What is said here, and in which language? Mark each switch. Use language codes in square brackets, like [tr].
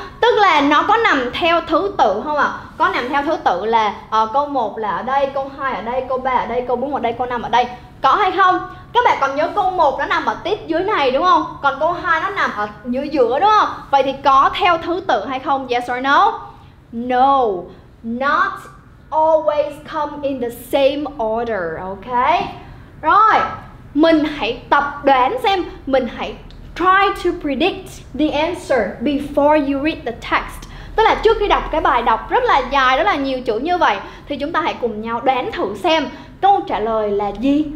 [vi] Tức là nó có nằm theo thứ tự không ạ? Có nằm theo thứ tự là câu 1 là ở đây, câu 2 ở đây, câu 3 ở đây, câu 4 ở đây, câu 5 ở đây. Có hay không? Các bạn còn nhớ câu 1 nó nằm ở tít dưới này đúng không? Còn câu 2 nó nằm ở giữa giữa đúng không? Vậy thì có theo thứ tự hay không? [en] Yes or no? No, not always come in the same order, ok? [vi] Rồi, mình hãy tập đoán xem, mình hãy [en] try to predict the answer before you read the text. [vi] Tức là trước khi đọc cái bài đọc rất là dài, rất là nhiều chữ như vậy thì chúng ta hãy cùng nhau đoán thử xem câu trả lời là gì?